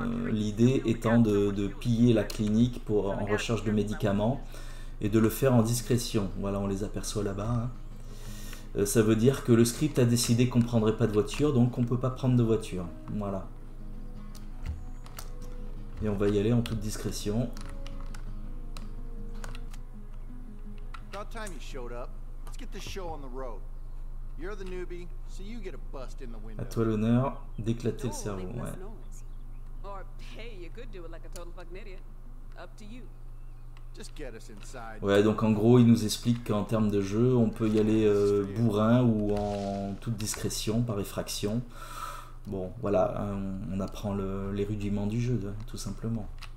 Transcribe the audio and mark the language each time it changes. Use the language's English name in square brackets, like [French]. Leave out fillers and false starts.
[French] L'idée étant de piller la clinique pour en recherche de médicaments et de le faire en discrétion. Voilà, on les aperçoit là-bas. Hein. Ça veut dire que le script a décidé qu'on ne prendrait pas de voiture, donc on ne peut pas prendre de voiture. Voilà. Et on va y aller en toute discrétion. [English] About time you showed up. Let's get this show on the road. You're the newbie, so you get a bust in the window. [French] À toi l'honneur d'éclater le cerveau, ouais. [English] Or hey, you could do it like a total fucking idiot. Up to you. Just get us inside. [French] Ouais, donc en gros, il nous explique qu'en termes de jeu, on peut y aller bourrin ou en toute discrétion par effraction. Bon, voilà, on apprend les rudiments du jeu, tout simplement.